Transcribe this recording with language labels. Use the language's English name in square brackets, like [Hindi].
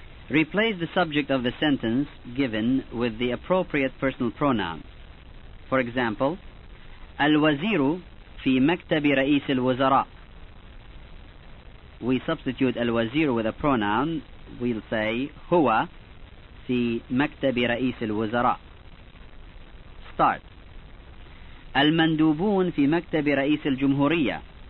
[English] Replace the subject of the sentence given with the appropriate personal pronoun. For example, [Arabic] الوزير في مكتب رئيس الوزراء. [English] We substitute الوزير with a pronoun. We'll say [Arabic] هو في مكتب رئيس الوزراء. [English] Start. [Arabic] المندوبون في مكتب رئيس الجمهورية.